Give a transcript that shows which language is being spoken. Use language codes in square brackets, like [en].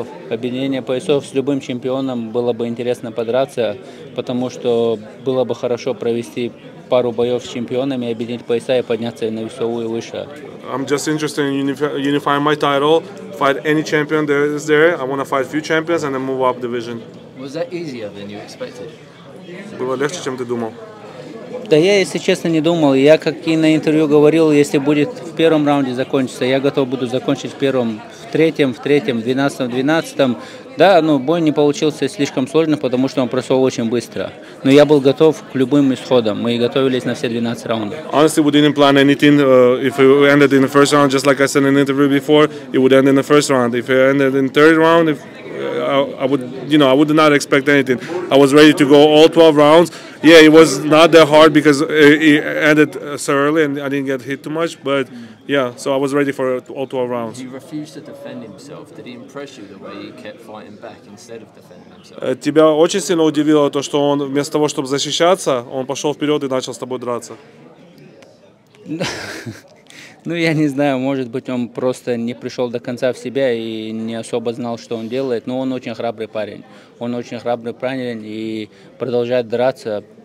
[ru] Объединение поясов с любым чемпионом было бы интересно подраться, потому что было бы хорошо провести пару боев с чемпионами, объединить пояса и подняться на весовую выше. [en] I'm just interested in unifying my title, fight any champion that is there. I want to fight a few champions and then move up division. Was that easier than you expected? [ru] Было легче, чем ты думал. Да я, если честно, не думал. Я, как и на интервью говорил, если будет в первом раунде закончиться, я готов буду закончить в первом, в третьем, в двенадцатом. Да, но бой не получился слишком сложным, потому что он прошел очень быстро. Но я был готов к любым исходам. Мы готовились на все 12 раундов. [en] Honestly, we didn't plan anything. If it ended in the first round, just like I said in the interview before, it would end in the first round. If it ended in third round, I would not expect anything. I was ready to go all 12 rounds. Yeah, it was not that hard because it ended so early and I didn't get hit too much. But yeah, so I was ready for all 12 rounds. He refused to defend himself. Did he impress you the way he kept fighting back instead of defending himself? [ru] Тебя очень сильно удивило то, что он вместо того, чтобы защищаться, он пошел вперед и начал с тобой драться. Ну, я не знаю, может быть, он просто не пришел до конца в себя и не особо знал, что он делает, но он очень храбрый парень. Он очень храбрый парень и продолжает драться.